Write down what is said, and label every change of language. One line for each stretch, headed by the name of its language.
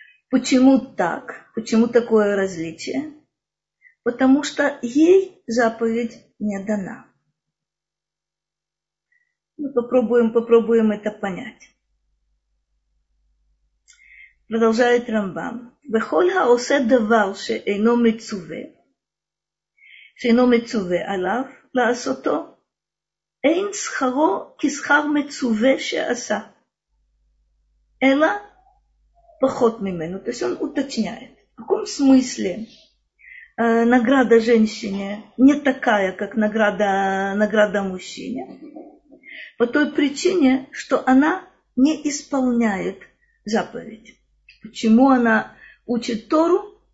Russian: Почему так? Почему такое различие? Потому что ей заповедь не дана. Мы попробуем это понять. Продолжает Рамбам.
Hebrew: «Вехоль хаосе давар шеэйно мецуве, алав, לעשותו, אין שכרו כשכר מצווה שעשה, אלא פחות ממנו.
Russian: То есть он уточняет, в каком смысле награда женщине не такая, как награда мужчине, по той причине, что она не исполняет заповедь. Почему она учит Тору?